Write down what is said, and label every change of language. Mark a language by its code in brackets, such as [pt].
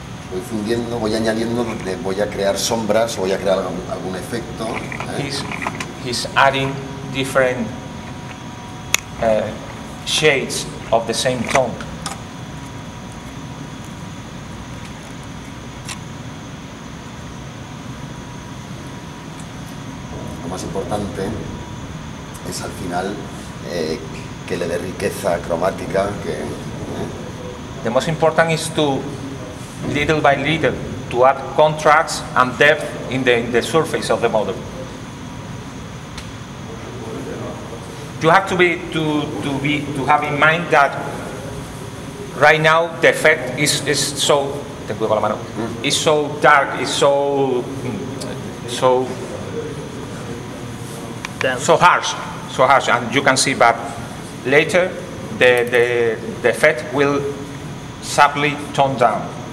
[es] Voy fundiendo, voy añadiendo, voy a crear sombras, voy a crear algún efecto. [en] He's adding different shades of the same tone. [es] Lo más importante es al final que le dé riqueza cromática. Que, [en] The most important is to little by little to add contrast and depth in the surface of the model. You have to have in mind that right now the effect is so is so dark, is so harsh, and you can see, but later the effect will subtly tone down.